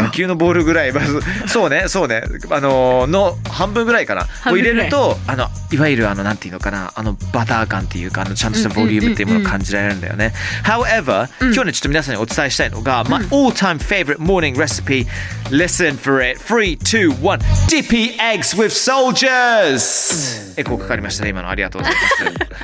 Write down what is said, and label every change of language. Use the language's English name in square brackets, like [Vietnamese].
[Japanese] 野球のボールぐらい、まず、そうね、そうね、の半分ぐらいかな。を入れると、あのいわゆるあのなんていうのかな、あのバター感っていうか、あのちゃんとしたボリュームっていうものを感じられるんだよね。うんうんうんうん、However、うん、今日ねちょっと皆さんにお伝えしたいのが、うん、 [English] my all time favorite morning recipe。 Listen for it. 3, 2, 1. Dippy eggs with soldiers. [Japanese] エコーかかりましたね、今の。ありがとうございます。